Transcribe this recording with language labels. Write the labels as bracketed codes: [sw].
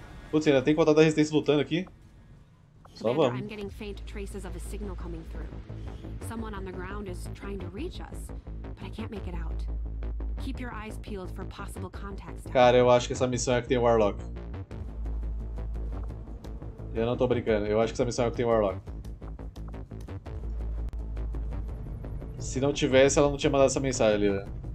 [pt] Putz, ainda tem contato da resistência lutando aqui? Só [en] Commander, [pt] vamos. [en] I'm getting faint traces of a signal coming through. Someone on the ground is trying to reach us, but I can't make it out. Keep your eyes peeled for possible contacts. [pt] Cara, eu acho que essa missão é que tem Warlock. Eu não tô brincando, eu acho que essa missão é que tem Warlock. Se não tivesse, ela não tinha mandado essa mensagem ali, né?